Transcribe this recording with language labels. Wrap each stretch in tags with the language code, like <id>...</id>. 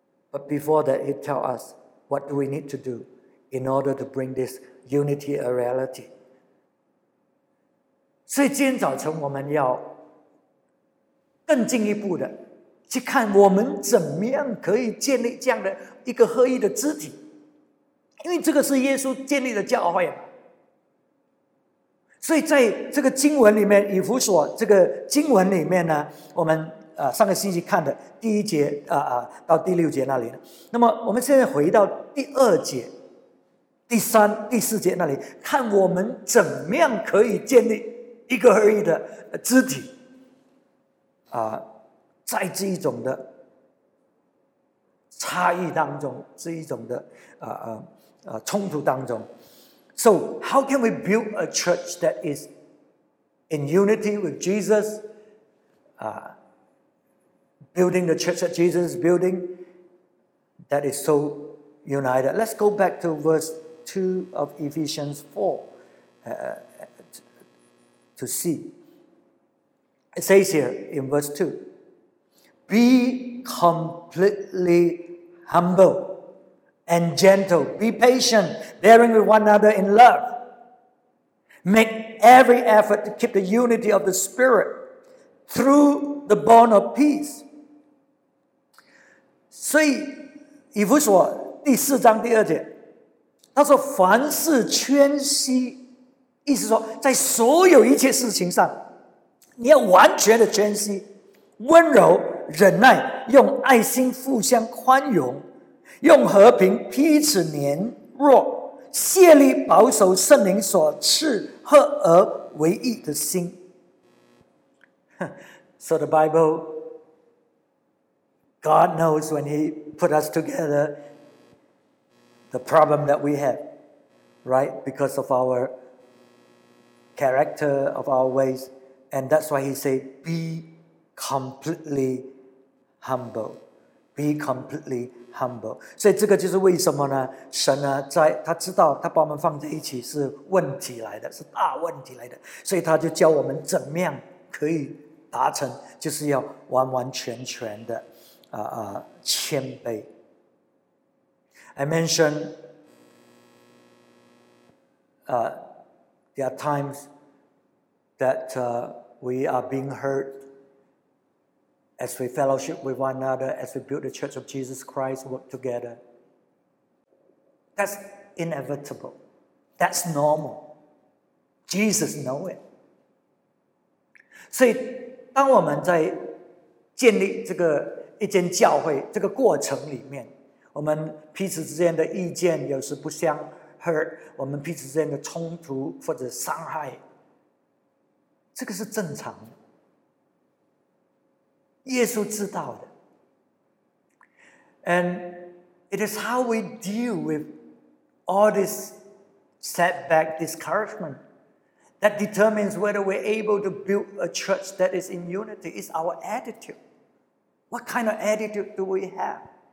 <en>But before that, it tells us, what do we need to do in order to bring this unity a reality?</en> <zh>所以今天早晨我们要更进一步的去看我们怎么样可以建立这样的一个合一的肢体。因为这个是耶稣建立的教会，所以在这个经文里面，以弗所这个经文里面呢，我们上个星期看的第一节到第六节那里，那么我们现在回到第二节、第三、第四节那里，看我们怎么样可以建立一个合一的肢体在这一种的差异当中，这一种的冲突当中。</zh> <en>So how can we build a church that is in unity with Jesus, building the church that Jesus is building that is so united? Let's go back to verse 2 of Ephesians 4 to see. It says here in verse 2, be completely humble. And gentle, be patient, bearing with one another in love. Make every effort to keep the unity of the Spirit through the bond of peace.</en> <zh>所以以弗所第四章第二节，他说凡事谦虚，意思说在所有一切事情上，你要完全的谦虚，温柔忍耐，用爱心互相宽容。用和平彼此黏弱，竭力保守圣灵所赐合而为一的心。</zh> <en>So the Bible, God knows when He put us together, the problem that we have, right? Because of our character, of our ways. And that's why He said, be completely humble. Be completely humble. Humble.</en> <zh>所以这个就是为什么呢？神呢，在他知道他把我们放在一起是问题来的，是大问题来的，所以他就教我们怎么样可以达成，就是要完完全全的谦卑。</zh> <en>I mentioned there are times that we are being hurt. As we fellowship with one another, as we build the church of Jesus Christ, work together. That's inevitable. That's normal. Jesus knows it.</en> <zh>所以当我们在建立这个一间教会这个过程里面，我们彼此之间的意见有时不相</zh> <en>hurt</en> <zh>我们彼此之间的冲突或者伤害，这个是正常的，耶稣知道的。</zh> <en>And it is how we deal with all this setback, discouragement that determines whether we're able to build a church that is in unity. It's our attitude. What kind of attitude do we have?</en>